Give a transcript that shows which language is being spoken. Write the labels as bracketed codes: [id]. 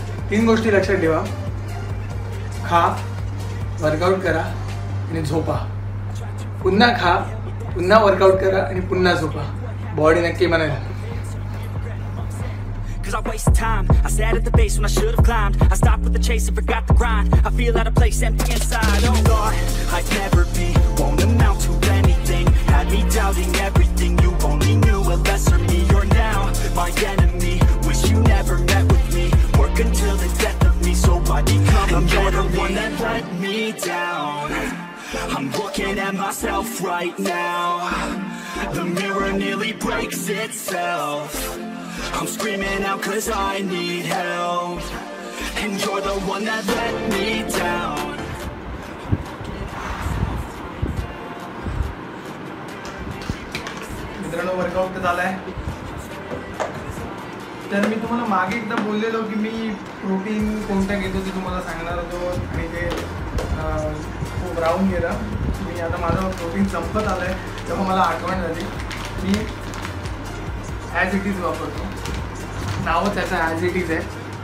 [mr] तीन गोष्टी लक्षात ठेवा, खा, वर्कआउट करा आणि झोपा. पुन्हा खा, पुन्हा वर्कआउट करा आणि पुन्हा झोपा, बॉडी नक्की म्हणेल. [en] Cause I waste time, I sat at the base when I should have climbed. I stopped with the chase and forgot the grind. I feel out of place, empty inside. Oh, thought I'd never be, won't amount to anything. Had me doubting everything, you only knew a lesser me. You're now my enemy, wish you never met with me. Work until the death of me, so I become a better me. You're the one that let me down, I'm looking at myself right now. The mirror nearly breaks itself, I'm screaming out cause I need help. And you're the one that let me down. [mr] मित्रांनो, workout झालंय. तर मी तुम्हाला मागे एकदा बोललेलो की मी protein कोणत्या घेतो ते तुम्हाला सांगणार होतो आणि ते खूप राहून गेलं. मी आता माझं प्रोटीन संपत आलं आहे तेव्हा मला आठवण झाली. मी ॲज इट इज वापरतो, नाव त्याचं ॲज इट इज आहे.